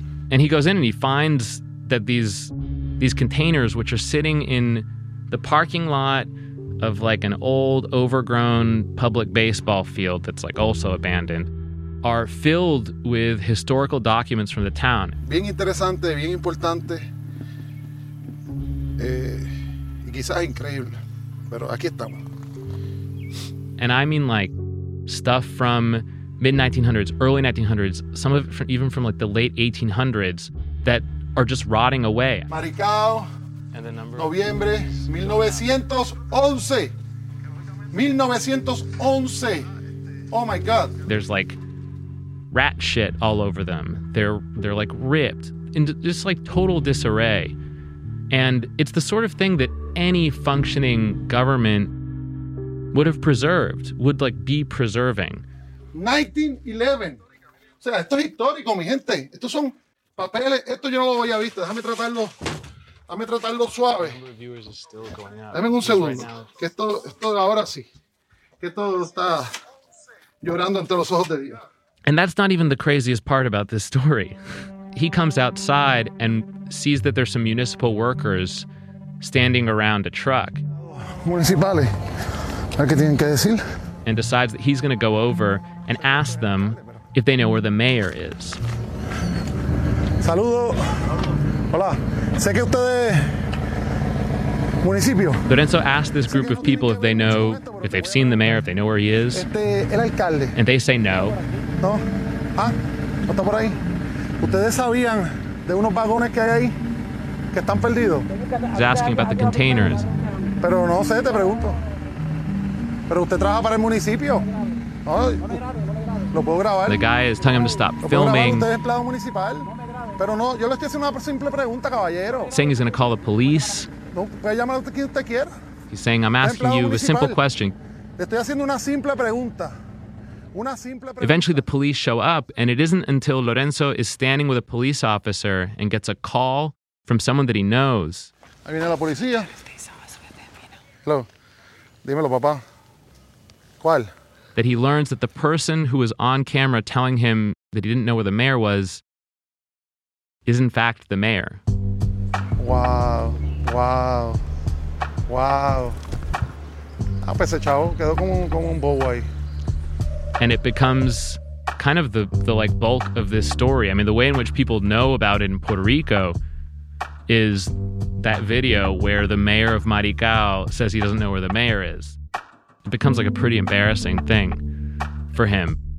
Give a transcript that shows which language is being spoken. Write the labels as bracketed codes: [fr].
[en] And he goes in, and he finds that these containers, which are sitting in the parking lot of, like, an old, overgrown public baseball field that's, like, also abandoned, are filled with historical documents from the town. [es] Bien interesante, bien importante, y quizás increíble, pero aquí estamos. [en] And I mean like stuff from mid-1900s, early 1900s, some of it from, even from like the late 1800s that are just rotting away. [es] Maricao, [en] and the number [es] noviembre [en] 1911. Oh my God. There's like rat shit all over them. They're like ripped into just like total disarray. And it's the sort of thing that any functioning government would have preserved, would like be preserving. [es] 1911. O sea, esto es histórico, mi gente. Estos son papeles. Esto yo no lo había visto. Déjame tratarlo suave. Dame un segundo. Que esto ahora sí. Que esto está llorando entre los ojos de Dios. [en] And that's not even the craziest part about this story. He comes outside and sees that there's some municipal workers standing around a truck. [es] Municipales, ¿a qué tienen que decir? [en] And decides that he's going to go over and ask them if they know where the mayor is. [es] Saludo. Hola. Sé que usted es municipio. [en] Lorenzo asked this group of people if they know, if they've seen the mayor, if they know where he is. [es] El alcalde. [en] And they say no. [es] No. Ah, no está por ahí. ¿Ustedes sabían de unos vagones que hay ahí que están perdidos? [en] He's asking about the containers. [es] Pero no sé, te pregunto. Pero usted trabaja para el municipio. No, lo puedo grabar. [en] The guy is telling him to stop filming. [es] Usted es empleado municipal. Pero no, yo le estoy haciendo una simple pregunta, caballero. [en] Saying he's going to call the police. [es] No, puede llamar a quien usted quiera. [en] He's saying, I'm asking you a simple question. [es] Le estoy haciendo una simple pregunta. [en] Eventually, the police show up, and it isn't until Lorenzo is standing with a police officer and gets a call from someone that he knows. [es] Ahí viene la policía. [en] Hello. [es] Dímelo, papá. ¿Cuál? [en] That he learns that the person who was on camera telling him that he didn't know where the mayor was is in fact the mayor. Wow. [es] Ah, pues ese chavo quedó como un bobo ahí. [en] And it becomes kind of the like bulk of this story. I mean, the way in which people know about it in Puerto Rico is that video where the mayor of Maricao says he doesn't know where the mayor is. It becomes like a pretty embarrassing thing for him.